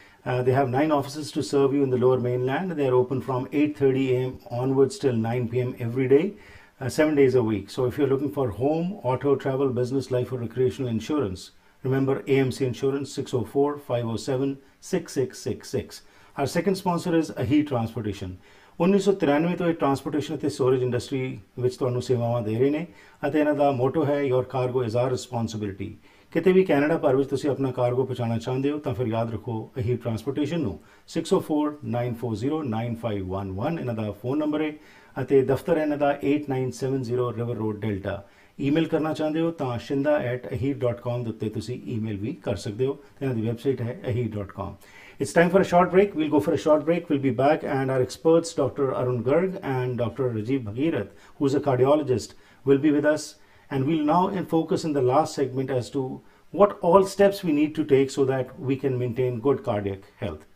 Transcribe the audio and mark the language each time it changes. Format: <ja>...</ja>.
<en>They have 9 offices to serve you in the Lower Mainland. They are open from 8:30 a.m. onwards till 9 p.m. every day, 7 days a week. So if you're looking for home, auto, travel, business, life, or recreational insurance, remember AMC Insurance, 604-507-6666. Our second sponsor is Ahi Transportation.</en> <pa>1993 ਤੋਂ ਇਹ transportation ਅਤੇ storage industry ਵਿੱਚ ਤੁਹਾਨੂੰ ਸੇਵਾਵਾਂ ਦੇ ਰਹੇ ਨੇ ਅਤੇ ਇਹਨਾਂ ਦਾ ਮੋਟੋ ਹੈ</pa> <en>Your cargo is our responsibility.</en> <pa>ਕਿਤੇ ਵੀ ਕੈਨੇਡਾ ਭਰ ਵਿੱਚ ਤੁਸੀਂ ਆਪਣਾ ਕਾਰਗੋ ਪਹੁੰਚਾਉਣਾ ਚਾਹੁੰਦੇ ਹੋ ਤਾਂ ਫਿਰ ਯਾਦ ਰੱਖੋ Ahi Transportation ਨੂੰ 604-940-9511 ਇਹਨਾਂ ਦਾ ਫੋਨ ਨੰਬਰ ਹੈ ਅਤੇ ਦਫ਼ਤਰ ਇਹਨਾਂ ਦਾ 8970 ਰਿਵਰ ਰੋਡ ਡੈਲਟਾ। ਈਮੇਲ ਕਰਨਾ ਚਾਹੁੰਦੇ ਹੋ ਤਾਂ shinda@ahi.com ਦੇ ਉੱਤੇ ਤੁਸੀਂ ਈਮੇਲ ਵੀ ਕਰ ਸਕਦੇ ਹੋ ਅਤੇ ਇਹਨਾਂ ਦੀ ਵੈਬਸਾਈਟ ਹੈ ahi.com।</pa> <en>It's time for a short break. We'll go for a short break. We'll be back, and our experts, Dr. Arun Garg and Dr. Rajiv Bhagirath, who's a cardiologist, will be with us. And we'll now focus in the last segment as to what all steps we need to take so that we can maintain good cardiac health.</en>